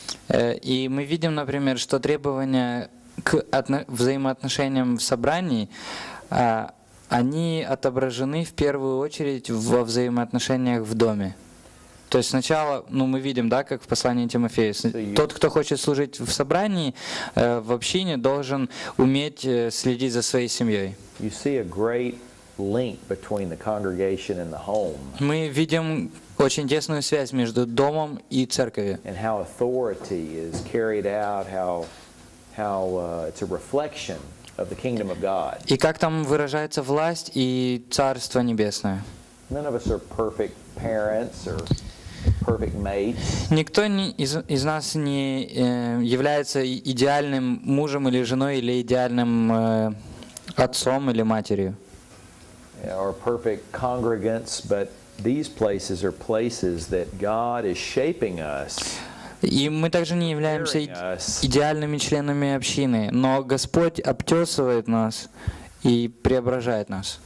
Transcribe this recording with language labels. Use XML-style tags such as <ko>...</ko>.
<ru>И мы видим, например, что требования к взаимоотношениям в собрании, они отображены в первую очередь во взаимоотношениях в доме. То есть сначала, ну мы видим, да, как в послании Тимофею, тот, кто хочет служить в собрании, в общине, должен уметь следить за своей семьей.</ru> <en>You see a great link between the congregation and the home.</en> <ru>Мы видим очень тесную связь между домом и церковью.</ru> <en>And how authority is carried out, how it's a reflection of the kingdom of God.</en> <ru>И как там выражается власть и царство небесное.</ru> <en>None of us are perfect parents or perfect mates.</en> <ru>Никто из нас не является идеальным мужем или женой или идеальным отцом или матерью.</ru> <en>Or perfect congregants, but these places are places that God is shaping us.</en> <ru>И мы также не являемся идеальными членами общины, но Господь обтесывает нас и преображает нас</ru>